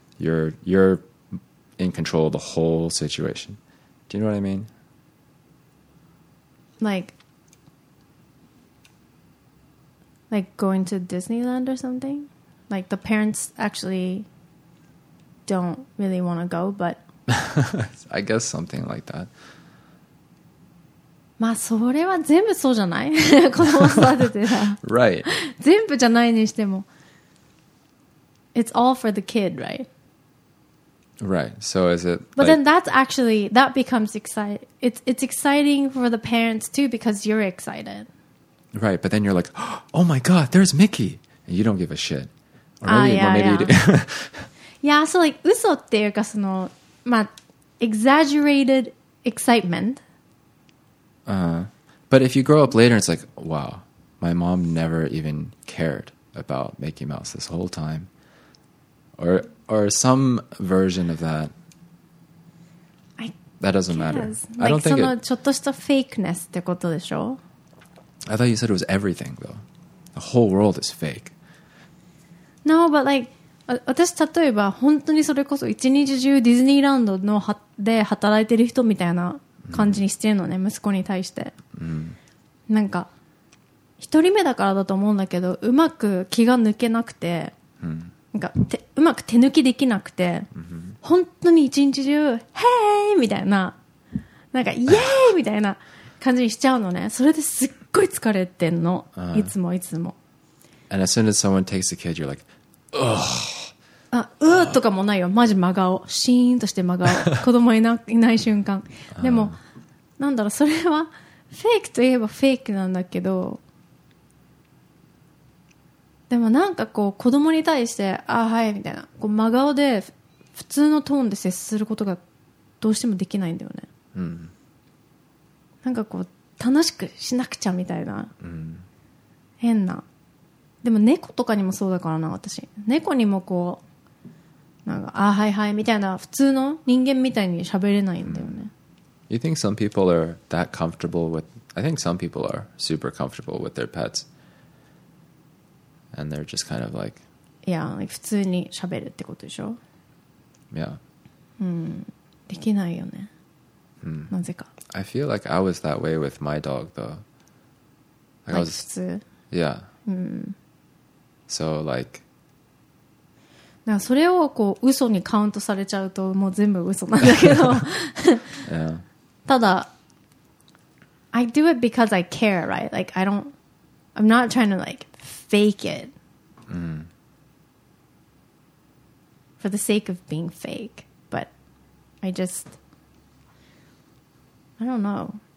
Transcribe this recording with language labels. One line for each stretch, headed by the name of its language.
English: You're in control of the whole situation. Do you know what I mean? Like going to Disneyland or something? Like the parents actually don't really want to go, but... I guess something like that.
Japanese: まあそれは全部そうじゃない子供育ててた
English: Right
Japanese: 全部じゃないにしても
English: It's all for the kid, right? Right, so is it But like, then that's actually That becomes exciting it's exciting for the parents too Because you're excited Right, but then you're like Oh my god, there's Mickey And you don't give a shit Or maybe,、yeah. yeah, so like
Japanese: 嘘っていうかそのまあ
English: Exaggerated excitement But if you grow up later, it's like, wow, my mom never even cared about Mickey Mouse this whole time. Or some version of that. That doesn't matter. Like, I don't think it...
Japanese: ちょっとした
English: fakeness
Japanese: ってことでしょ?
English: I thought you said it was everything, though. The whole world is fake. No, but like...
Japanese: 私例えば本当にそれこそ一日中ディズニーランドので働いてる人みたいな感じにしてるのね、mm. 息子に対して、mm. なんか一人目だからだと思うんだけどうまく気が抜けなくて、mm. なんかうまく手抜きできなくて、mm-hmm. 本当に一日中ヘイみたいななんかイエーイみたいな感じにしちゃうのねそれですっごい疲れてんの、uh-huh. いつもいつも
English: And as soon as someone takes the kid you're like Ugh
Japanese: あうーとかもないよマジ真顔シーンとして真顔子供いない瞬間でもなんだろうそれはフェイクといえばフェイクなんだけどでもなんかこう子供に対してあはいみたいなこう真顔で普通のトーンで接することがどうしてもできないんだよね、うん、なんかこう楽しくしなくちゃみたいな、うん、変なでも猫とかにもそうだからな私猫にもこうなんかあはいはいみたいな普通の人間みたいに喋れないんだよね、mm.
English: You think some people are that comfortable with I think some people are super comfortable with their pets And they're just kind of like Yeah, like
Japanese: 普通に喋るってことでしょ
English: Yeah、
Japanese: mm. できないよね、 mm. なぜか
English: I feel like I was that way with my dog though Like, I was,
Japanese: 普通
English: Yeah、 mm. So like
Japanese: なんかそれをこう嘘にカウントされちゃうともう全部嘘なんだけど
English: yeah.
Japanese: ただ
English: I do it because I care, right? Like I don't I'm not trying to like fake it、 mm. For the sake of being fake But I just I don't know